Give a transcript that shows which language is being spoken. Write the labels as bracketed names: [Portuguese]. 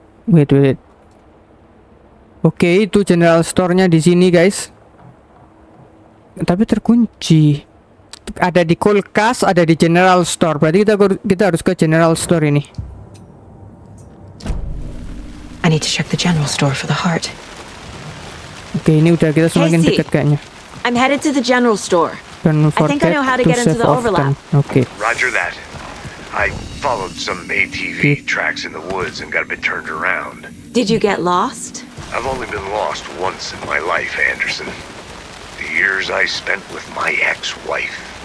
[Indonesian] Oke, okay, itu general store-nya di sini, guys. Tapi terkunci. Ada di kulkas, ada di general store. Berarti kita harus ke general store ini. [English] I need to check the general store for the heart. [Indonesian] Oke, okay, ini udah kita semakin dekat kayaknya. [English] I'm headed to the general store. Don't forget I think I know how to get into the overlap. Okay. Roger that. I followed some ATV tracks in the woods and got a bit turned around. Did you get lost? I've only been lost once in my life, Anderson. The years I spent with my ex-wife.